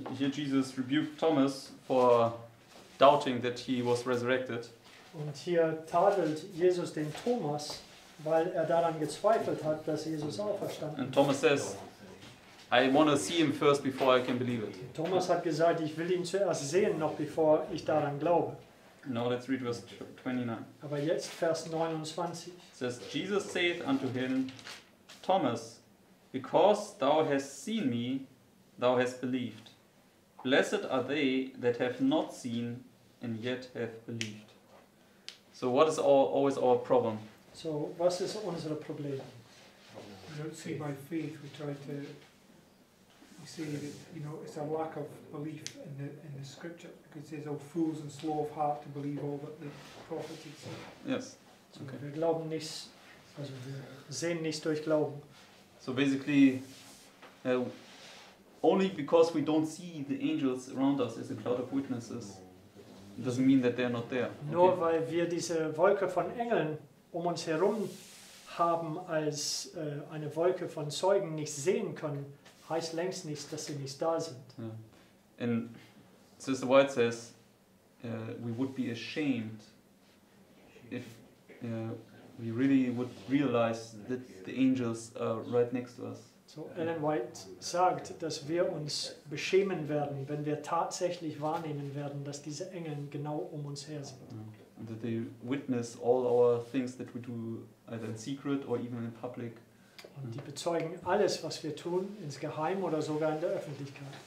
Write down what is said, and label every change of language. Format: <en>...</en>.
<en>Jesus rebuked Thomas for doubting that he was resurrected.</en> <de>Und hier tadelt Jesus den Thomas, weil daran gezweifelt hat, dass Jesus auferstanden.</de> <en>And Thomas says, I want to see him first before I can believe it.</en> <de>Thomas hat gesagt, ich will ihn zuerst sehen, noch bevor ich daran glaube.</de> <en>Now let's read verse 29.</en> <de>Aber jetzt Vers 29.</de> <en>It says, Jesus saith unto him, Thomas, because thou hast seen me, thou hast believed. Blessed are they that have not seen and yet have believed. So what is always our problem?</en> <de>So was ist unser Problem?</de> <en>We don't see by faith. We try to. We see that, you know, it's a lack of belief in the scripture, because it says, "Oh fools and slow of heart to believe all that the prophets have said." Yes. So okay.</en> <de>Wir glauben nicht, also wir sehen nicht durch Glauben.</de> <en>So basically, only because we don't see the angels around us as a cloud of witnesses, it doesn't mean that they're not there. Okay?</en> <de>Nur weil wir diese Wolke von Engeln um uns herum haben als eine Wolke von Zeugen nicht sehen können, heißt längst nicht, dass sie nicht da sind.</de> <en>Yeah. And Sister White says, we would be ashamed if we really would realize that the angels are right next to us.</en> <de>So, Ellen White sagt, dass wir uns beschämen werden, wenn wir tatsächlich wahrnehmen werden, dass diese Engel genau um uns her sind.</de> <en>And that they witness all our things that we do, either in secret or even in public.</en> <de>Und die bezeugen alles, was wir tun, ins Geheim oder sogar in der Öffentlichkeit.</de>